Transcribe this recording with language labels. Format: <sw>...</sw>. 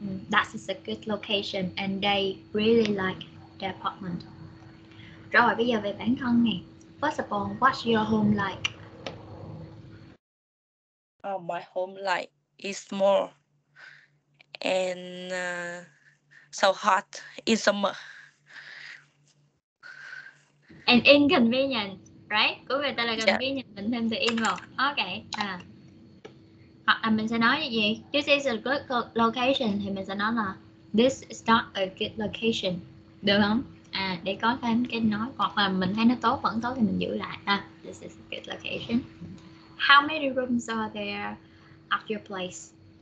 <en>That is a good location and they really like their apartment.</en> <vi>Rồi bây giờ về bản thân này.</vi> <en>First of all, what's your home like? My home like is small. And so hot in summer. And inconvenient, right?</en> <vi>Của người ta là convenient, yeah. Mình thêm từ in vào. Ok. Hoặc là mình sẽ nói như gì?</vi> <en>This is a good location.</en> <vi>Thì mình sẽ nói là</vi> <en>this is not a good location.</en> <vi>Được không? Để có thêm cái nói. Hoặc là mình thấy nó tốt, vẫn tốt thì mình giữ lại.</vi> <en>This is a good location. How many rooms are there at your place?</en>